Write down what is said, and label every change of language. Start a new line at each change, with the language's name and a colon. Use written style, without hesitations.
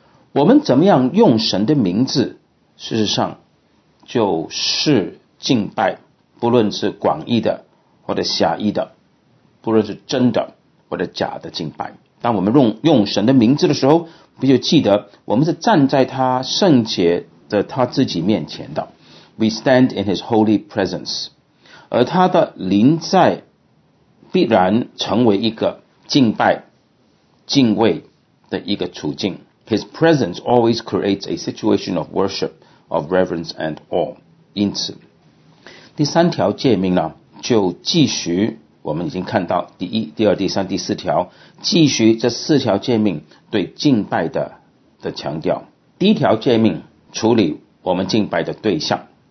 Chinese: 我们怎么样用神的名字，事实上就是敬拜，不论是广义的或者狭义的，不论是真的或者假的敬拜。当我们用神的名字的时候，不就记得我们是站在他圣洁的他自己面前的。
English: We stand in His holy presence.
Chinese: 而他的临在必然成为一个敬拜、敬畏的一个处境。
English: His presence always creates a situation of worship, of reverence and awe.
Chinese: 因此，第三条诫命呢，就继续，我们已经看到第一、第二、第三、第四条，继续这四条诫命对敬拜的强调。第一条诫命处理我们敬拜的对象。